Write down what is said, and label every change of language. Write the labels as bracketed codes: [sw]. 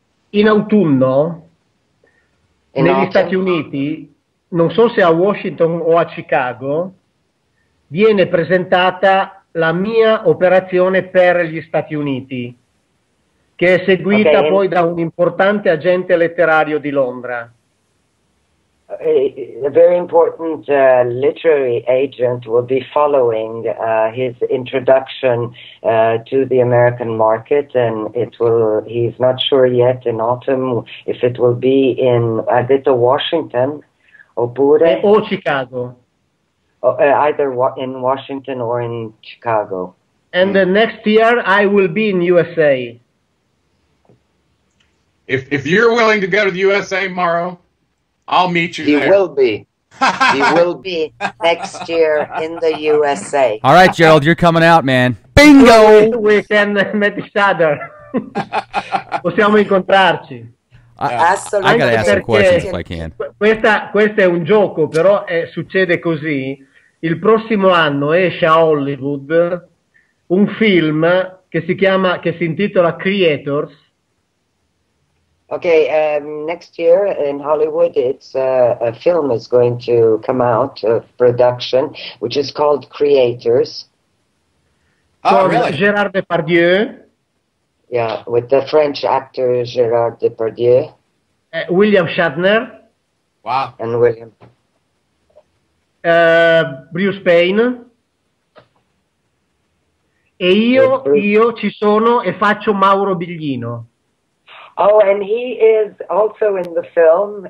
[it] In autunno, negli Stati Uniti, non so se a Washington o a Chicago, viene presentata la mia operazione per gli Stati Uniti, che è seguita poi da un importante agente letterario di Londra. [en] A very important literary agent will be following his introduction to the American market, and he's not sure yet in autumn if it will be in, [it] ha detto, [en] Washington [it] oppure o Chicago. [en] Either in Washington or in Chicago. And the next year I will be in USA. If you're willing to go to the USA, Mauro, I'll meet you there. He will be. He will be next year in the USA. All right, Gerald, you're coming out, man. Bingo! We can meet each other. [it] Possiamo incontrarci. Assolutamente. [en] I gotta ask some questions if I can. [it] Questo è un gioco, però succede così. Il prossimo anno esce a Hollywood un film che si intitola Creators. [en] Okay, next year in Hollywood, it's a film is going to come out of production, which is called Creators. Oh, really? Gérard Depardieu. Yeah, with the French actor Gérard Depardieu. William Shatner. Wow. And William. Bruce Payne. [it] E io ci sono e faccio Mauro Biglino. [en] Oh, and he is also in the film.